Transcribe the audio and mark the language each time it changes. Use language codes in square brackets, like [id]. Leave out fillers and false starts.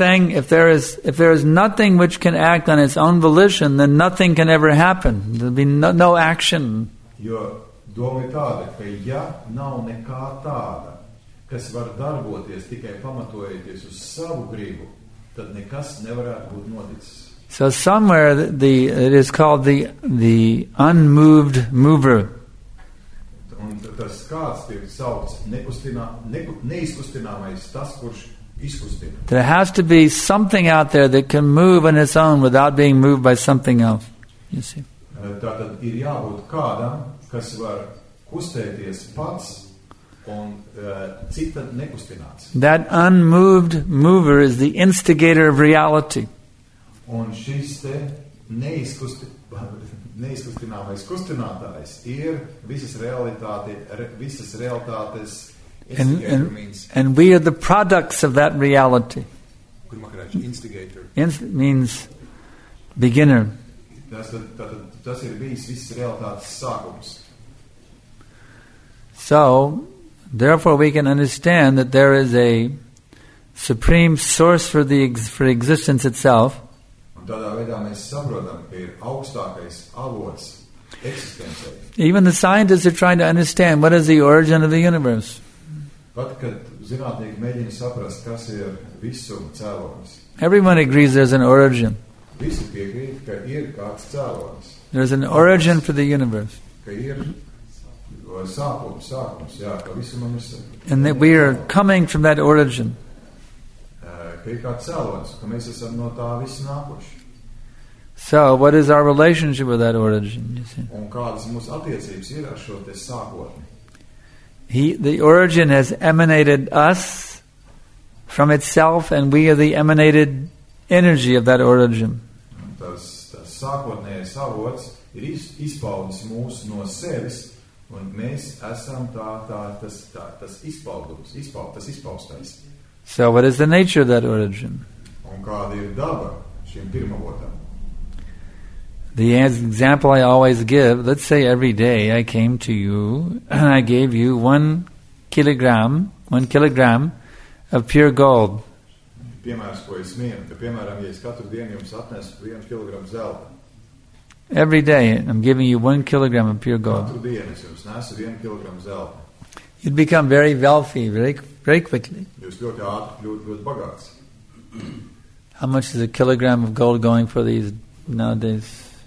[en] if there is nothing which can act on its own volition, then nothing can ever happen. There'll be no action. [lv] Jo doma tāda, ka ja nav nekā tāda, kas var darboties tikai pamatojoties uz savu gribu, tad nekas nevarētu būt noticis. [en] So somewhere it is called the unmoved mover. [lv] Un tas kāds tiek saukts neizkustināmais, tas, kurš [en] there has to be something out there that can move on its own without being moved by something else. You see. [lv] Tātad ir jābūt kādam, kas var kustēties pats un cita nekustināts. [en] That unmoved mover is the instigator of reality. [lv] Un šis te neizkustināmais kustinātājs ir visas realitātes. [en] And we are the products of that reality. Instigator. Means beginner. [lv] Tas ir bijis viss realitātes sākums. [en] So, therefore we can understand that there is a supreme source for existence itself. [lv] Tādā veidā mēs saprotam, ka ir augstākais avots eksistencei. [en] Even the scientists are trying to understand what is the origin of the universe. [lv] Pat, kad zinātnieki mēģina saprast, kas ir visuma cēlonis. [en] Everyone agrees there's an origin. [lv] Visi piekrīt, ka ir kāds cēlonis. [en] There's an origin for the universe. [lv] Ka ir sākums, jā, ka visumam ir sākums. [en] And that we are coming from that origin. [lv] Ka ir kāds cēlonis, ka mēs esam no tā visi nākuši. [en] So, what is our relationship with that origin, you see? [lv] Un kādas mūsu attiecības ir ar šo te sākotni? [en] The origin has emanated us from itself, and we are the emanated energy of that origin. [lv] Tas sākotnējais avots ir izpaudis mūsu no sevis, un mēs esam tas izpaustais. [en] So what is the nature of that origin? [lv] Un kāda ir daba šiem pirmavotam? [en] The example I always give, let's say every day I came to you and I gave you one kilogram of pure gold. [lv] Piemērs, ko es mienu, ka piemēram, ja es katru dienu jums atnesu 1 kilogram zelta. [en] Every day I'm giving you 1 kilogram of pure gold. [lv] Katru dienu es jums nesu 1 kilogram zelta. [en] You'd become very wealthy very, very quickly. [lv] Jūs ļoti ātri kļūtu ļoti bagāts. [en] How much is a kilogram of gold going for these nowadays?